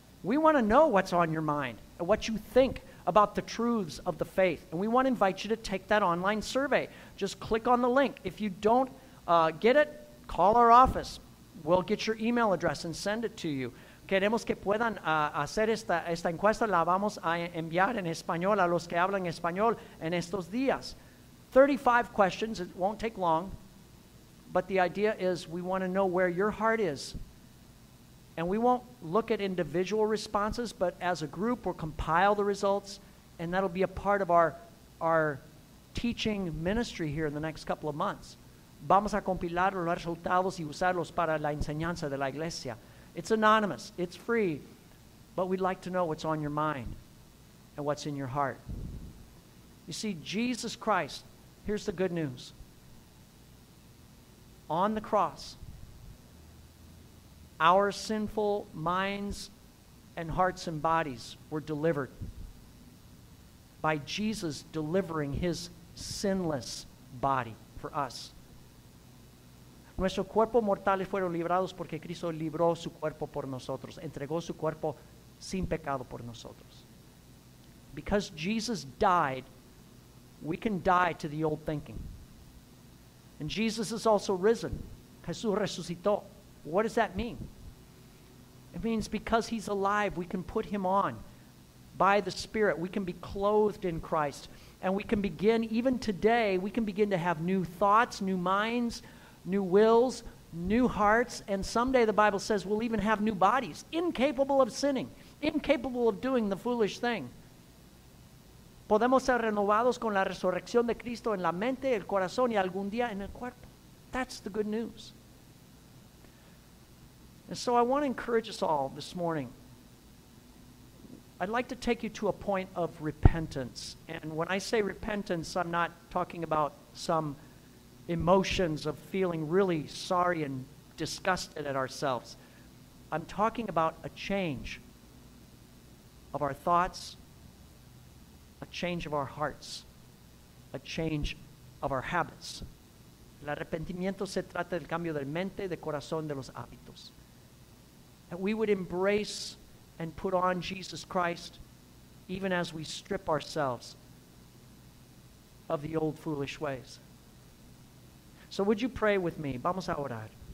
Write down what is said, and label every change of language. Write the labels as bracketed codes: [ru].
[en] We want to know what's on your mind and what you think about the truths of the faith. And we want to invite you to take that online survey. Just click on the link. If you don't get it, call our office. We'll get your email address and send it to you. [es] Queremos que puedan hacer esta encuesta. La vamos a enviar en español a los que hablan español en estos días. [en] 35 questions. It won't take long. But the idea is we want to know where your heart is And we won't look at individual responses, but as a group, we'll compile the results, and that'll be a part of our teaching ministry here in the next couple of months. [es] Vamos a compilar los resultados y usarlos para la enseñanza de la iglesia. [en] It's anonymous, it's free, but we'd like to know what's on your mind and what's in your heart. You see, Jesus Christ, here's the good news. On the cross, our sinful minds and hearts and bodies were delivered by Jesus delivering his sinless body for us. [es] Nuestros cuerpos mortales fueron librados porque Cristo libró su cuerpo por nosotros, entregó su cuerpo sin pecado por nosotros. [en] Because Jesus died, we can die to the old thinking. And Jesus is also risen. [es] Jesús resucitó. [en] What does that mean? It means because he's alive, we can put him on by the Spirit. We can be clothed in Christ. And we can begin, even today, we can begin to have new thoughts, new minds, new wills, new hearts. And someday, the Bible says, we'll even have new bodies, incapable of sinning, incapable of doing the foolish thing. [es] Podemos ser renovados con la resurrección de Cristo en la mente, el corazón y algún día en el cuerpo. [en] That's the good news. And so I want to encourage us all this morning. I'd like to take you to a point of repentance. And when I say repentance, I'm not talking about some emotions of feeling really sorry and disgusted at ourselves. I'm talking about a change of our thoughts, a change of our hearts, a change of our habits. [es] El arrepentimiento se trata del cambio de mente, de corazón, de los hábitos. [en] That we would embrace and put on Jesus Christ even as we strip ourselves of the old foolish ways. So would you pray with me? [es] Vamos a orar.